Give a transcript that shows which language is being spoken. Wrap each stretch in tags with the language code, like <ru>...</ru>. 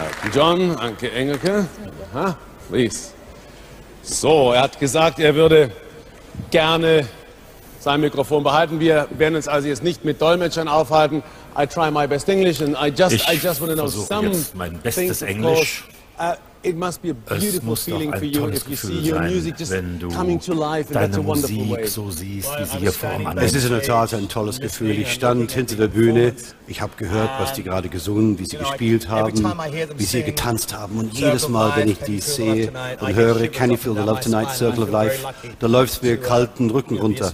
<en>John, Anke Engelke, aha, please.</en> <de>So, er hat gesagt, er würde gerne sein Mikrofon behalten. Wir werden uns also jetzt nicht mit Dolmetschern aufhalten.</de> <en>I try my best English and I just want to know some</en> <de>mein bestes Englisch.</de> <en>It must be a beautiful feeling for you if you see your music just coming to life in such a wonderful way.</en> <de>So siehst, wie sie hier vor mir. Es ist in der Tat ein tolles Gefühl. Ich stand hinter der Bühne. Ich habe gehört, was die gerade gesungen, wie sie gespielt haben, wie sie getanzt haben. Und jedes Mal, wenn ich die sehe und höre, Can You Feel the Love Tonight, Circle of Life, da läuft es mir kalten Rücken runter.</de>